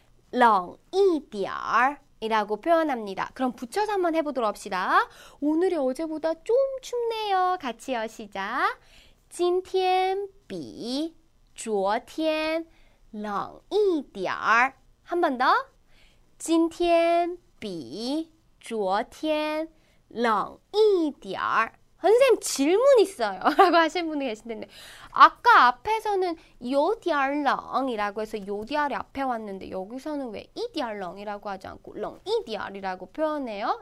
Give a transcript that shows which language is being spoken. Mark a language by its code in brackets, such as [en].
[zh] 冷一点 [ko] 이라고 표현합니다. 그럼 붙여서 한번 해보도록 합시다. 오늘이 어제보다 좀 춥네요. 같이요. 시작. [zh] 今天比昨天冷一点 [ko] 한 번 더. [zh] 今天比昨天冷一点 [ko] 선생님 질문 있어요 라고 하시는 분이 계신데 아까 앞에서는 요디알렁이라고 해서 요디알이 앞에 왔는데 여기서는 왜 이디알렁이라고 하지 않고 렁이디알이라고 표현해요?